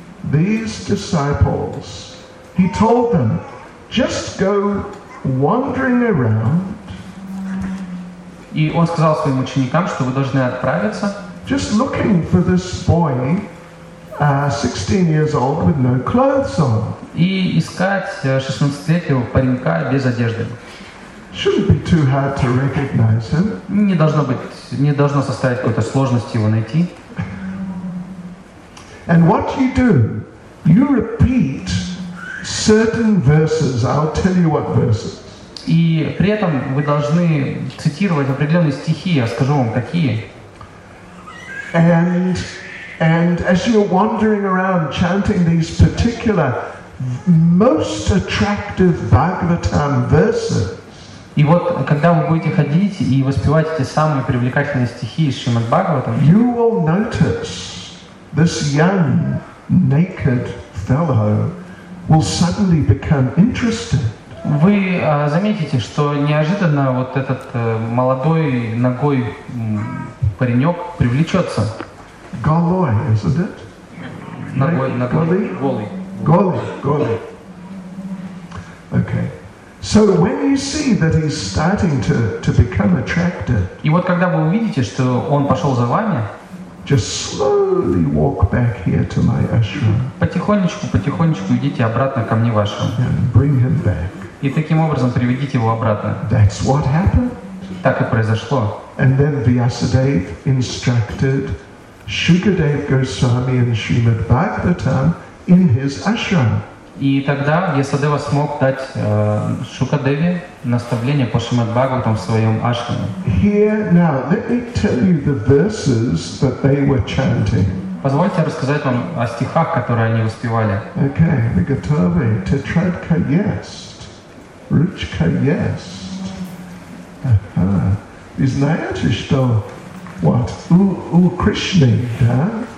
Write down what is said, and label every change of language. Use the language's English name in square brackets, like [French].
[English] These disciples, he told them, just go wandering around. [Russian] И он сказал своим ученикам, что вы должны отправиться. [English] Just looking for this boy, 16 years old with no clothes on. [Russian] И искать 16-летнего паренька без одежды. [English] Shouldn't be too hard to recognize him. [Russian] Не должно составить какой-то сложности его найти. [English] And what you do? You repeat certain verses. I'll tell you what verses. [Russian] И при этом вы должны цитировать определенные стихи. Я скажу вам какие. [English] And as you're wandering around chanting these particular most attractive Bhagavatam verses. [Russian] И вот когда вы будете ходить и воспевать эти самые привлекательные стихи из Шримад Бхагаватам. [English] You will notice this young naked fellow will suddenly become interested. [Russian] Вы заметите, что неожиданно вот этот молодой ногой паренек привлечется. [English] Голой, isn't it? [Russian] Голый. [English] Okay. So when you see that he's starting to become attracted. [Russian] И вот когда вы увидите, что он пошел за вами. [English] Just slowly walk back here to my ashram. [Russian] Потихонечку идите обратно ко мне в ашрам. [English] Bring him back. [Russian] И таким образом приведите его обратно. [English] That's what happened. [Russian] Так и произошло. [English] And then Vyasadeva instructed Shukadeva Goswami and Srimad Bhagavatam in his ashram. [Russian] И тогда Ясадева смог дать Шукадеве наставление по Шримад Бхагаватам в своем ашраме. [English] Here now, let me tell you the verses that they were chanting. [Russian] Позвольте рассказать вам о стихах, которые они воспевали. Okay, Vigatave, Tetradka Yest, Ruchka Yest. Изнаятишто, what? Укришни, да?